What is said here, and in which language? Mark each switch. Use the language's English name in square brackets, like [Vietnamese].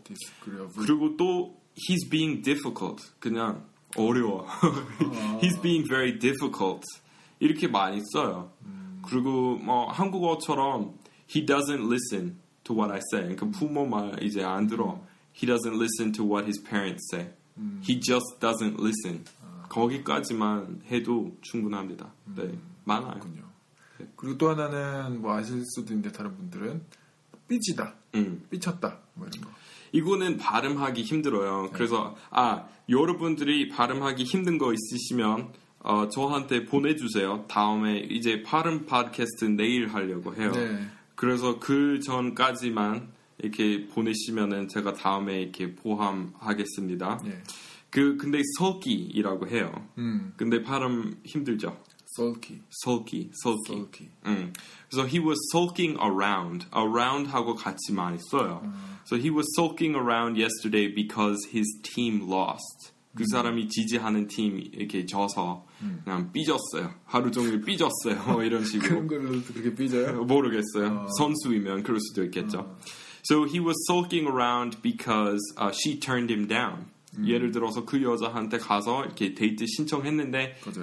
[English] Disagreeable. [Korean] 그리고 또 [English] He's being difficult. [Korean] 그냥 어려워. [English] He's being very difficult. [Korean] 이렇게 많이 써요. 그리고 뭐 한국어처럼 [English] He doesn't listen to what I say. [Korean] 그러니까 부모 말 이제 안 들어. [English] He doesn't listen to what his parents say. He just doesn't listen. [Korean] 거기까지만 해도 충분합니다. 네, 많아요. 네. 그리고 또 하나는 뭐 아실 수도 있는데 다른 분들은 삐지다. 삐쳤다. 뭐 이런 거. 이거는 발음하기 힘들어요. 그래서 아 여러분들이 발음하기 힘든 거 있으시면 저한테 보내주세요. 다음에 이제 발음 팟캐스트 내일 하려고 해요. 네. 그래서 그 전까지만 이렇게 보내시면은 제가 다음에 이렇게 보함하겠습니다. 네. 그 근데 sulky이라고 해요. 근데 발음 힘들죠. [English] sulky, sulky, sulky. sulky. [Korean] 그래서 [English] he was sulking around, around [Korean] 하고 같이 많이 써요. [English] So he was sulking around yesterday because his team lost. [Korean] 그 사람이 지지하는 팀이 이렇게 져서 그냥 삐졌어요. 하루 종일 삐졌어요. 이런 식으로. 그런 걸로 그렇게 삐져요? 모르겠어요. 선수이면 그럴 수도 있겠죠. [English] So he was sulking around because she turned him down. [Korean] 예를 들어서 그 여자한테 가서 이렇게 데이트 신청했는데